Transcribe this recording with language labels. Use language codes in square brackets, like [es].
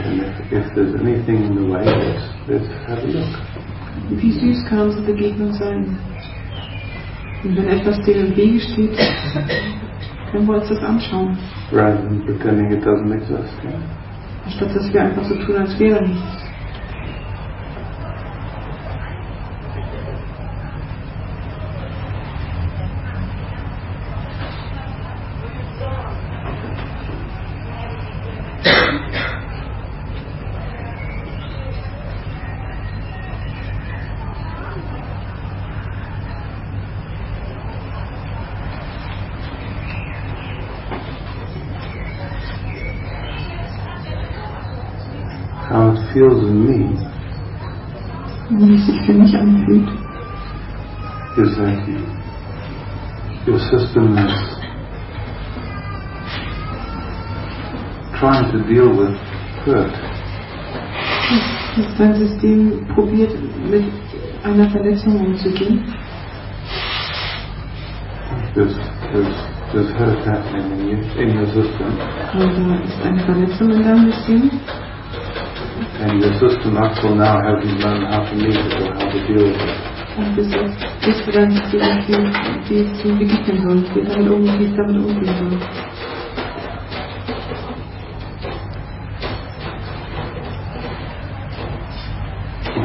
[en] And if there's anything in the way, let's have a look. [de] Wie süß kann unsere Begegnung sein? Und wenn etwas dir im Wege steht, können wir uns das anschauen. [en] Rather than pretending it doesn't exist. [de] Statt dass wir einfach so tun, als wäre nichts. [en] Feels in me. [de] Wie es sich für mich anfühlt. [en] Is that your system is trying to deal with hurt. [de] Ist dein System probiert mit einer Verletzung umzugehen? [en] There's hurt happening in your system. [de] Also ist eine Verletzung in deinem System? [en] And your system up till now hasn't learned how to meet it or how to deal with it. [de] Und bis jetzt lernt es dir nicht, wie es ihm begegnen soll, wie es damit umgehen soll.